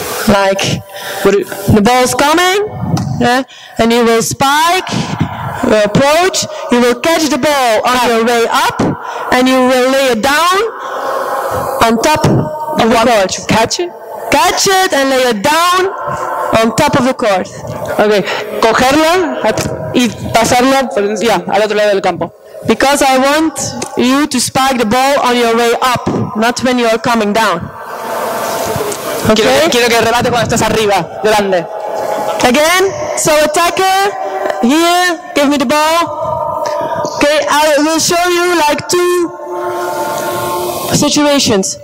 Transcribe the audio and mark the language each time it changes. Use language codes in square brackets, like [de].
[en] Like, the ball is coming, yeah, and you will spike, you will approach, you will catch the ball on your way up, and you will lay it down on top of the court. Catch it? Catch it and lay it down on top of the court. [es] Okay, cogerla y pasarla al otro lado del campo. [en] Because I want you to spike the ball on your way up, not when you are coming down. [es] Okay? Quiero que remate cuando estás arriba, grande. [en] Again, so attacker, here, give me the ball. Okay, I will show you like 2 situations.